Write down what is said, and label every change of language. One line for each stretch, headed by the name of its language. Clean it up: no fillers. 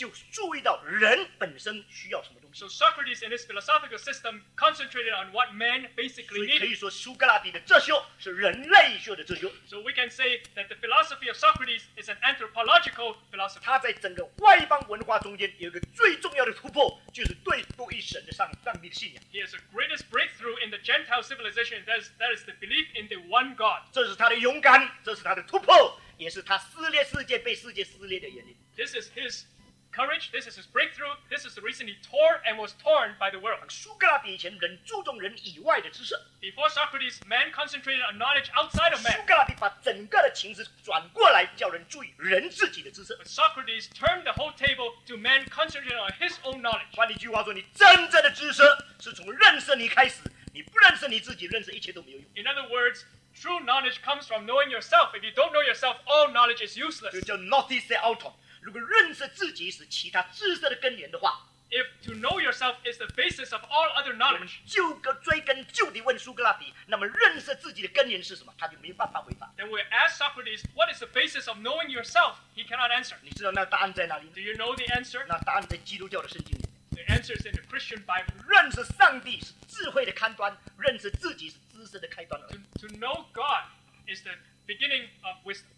Chinese: 所以苏格拉底在他整个哲学基础里面就注意到人本身需要什么东西。
English: So Socrates in his philosophical system concentrated on what man basically needs.
Chinese: 所以可以说苏格拉底的哲学是人类学的哲学。
English: So we can say that the philosophy of Socrates is an anthropological philosophy.
Chinese: 他在整个外邦文化中间有一个最重要的突破，就是对独一神的上帝的信仰。
English: He has the greatest breakthrough in the Gentile civilization, that is the belief in the one God.
Chinese: 这是他的勇敢, 这是他的突破, 也是他撕裂世界被世界撕裂的原因。
English: This is his courage, this is his breakthrough, this is the reason he tore and was torn by the world.
Chinese: 苏格拉底以前人注重人以外的知识。
English: Before Socrates, man concentrated on knowledge outside of man.
Chinese: 苏格拉底把整个的情势转过来叫人注意人自己的知识。
English: But Socrates turned the whole table to man concentrated on his own knowledge.
Chinese: 换一句话说，你真正的知识是从认识你开始。你不认识你自己，认识一切都没有用。
English: In other words, true knowledge comes from knowing yourself. If you don't know yourself, all knowledge is useless.
Chinese: 就叫
English: notice the autumn.
Chinese: 如果认识自己是其他知识的根源的话，
English: If to know yourself is the basis of all other knowledge,
Chinese: 就追根究底问苏格拉底，那么认识自己的根源是什么，他就没办法回答。
English: Then we ask Socrates, what is the basis of knowing yourself? He cannot answer.
Chinese: 你知道那答案在哪里？
English: Do you know the answer?
Chinese: 那答案在基督教的圣经里面。
English: The answer is in the Christian Bible.
Chinese: 认识上帝是智慧的开端，认识自己是知识的开端。
English: To know God is the beginning of wisdom.